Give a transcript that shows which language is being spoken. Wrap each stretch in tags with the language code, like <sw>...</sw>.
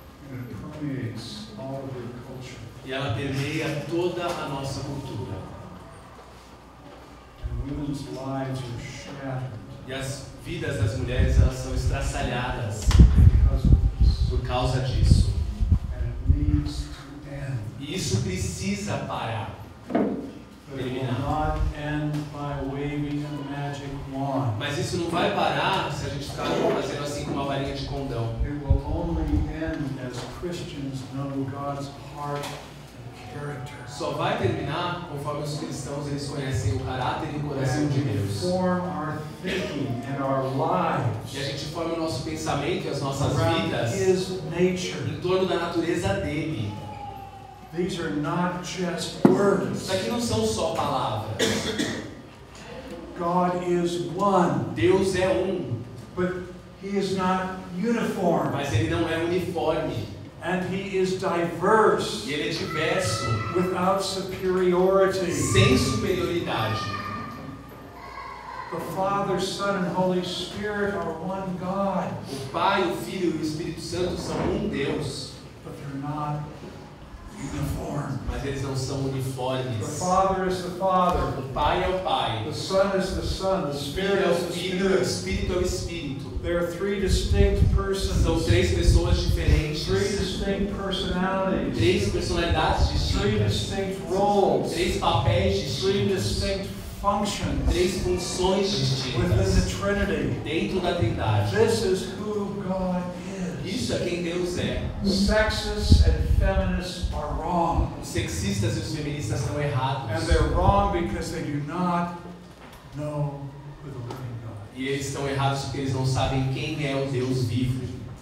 <en>And it permeates all of your culture.</en> <pt>E ela permeia toda a nossa cultura.</pt> <en>Women's lives are shattered.</en> <pt>E as vidas das mulheres elas são estraçalhadas por causa disso.</pt> <en>And it needs to end.</en> <pt>E isso precisa parar.</pt> <en>But it will not end by waving a magic wand.</en> <pt>Mas isso não vai parar se a gente ficar fazendo assim com uma varinha de condão.</pt> <en>It will only end as Christians know God's heart.</en> <pt>Só vai terminar conforme os cristãos eles conhecem o caráter e o coração de Deus. E a gente forma o nosso pensamento e as nossas vidas em torno da natureza dele.</pt> <en>These are not just words.</en> <pt>Isso aqui não são só palavras.</pt> <en>God is one.</en> <pt>Deus é um.</pt> <en>But he is not uniform.</en> <pt>Mas ele não é uniforme.</pt> <en>And he is diverse,</en> <pt>e ele é diverso,</pt> <en>without superiority,</en> <pt>sem superioridade.</pt> <en>The Father, Son, and Holy Spirit are one God.</en> <pt>O Pai, o Filho e o Espírito Santo são um Deus.</pt> <en>But they're not uniform.</en> <pt>Mas eles não são uniformes.</pt> <en>The Father is the Father.</en> <pt>O Pai é o Pai.</pt> <en>The Son is the Son. The Spirit</en> <pt>é o Filho,</pt> <en>is the Spirit.</en> <pt>O Espírito é o Espírito.</pt> <en>There are three distinct persons.</en> <pt>São três pessoas diferentes.</pt> <en>Three distinct personalities.</en> <pt>Três personalidades distintas.</pt> <en>Three distinct roles.</en> <pt>Três papéis distintos.</pt> <en>Three distinct functions.</en> <pt>Três funções distintas.</pt> <en>Within the Trinity.</en> <pt>Dentro da Trindade.</pt> <en>This is who God is.</en> <pt>Isso é quem Deus é.</pt> <en>Sexists and feminists are wrong.</en> <pt>Os sexistas e os feministas estão errados.</pt> <en>And they're wrong because they do not know.</en> <pt>E eles estão errados porque eles não sabem quem é o Deus vivo.</pt>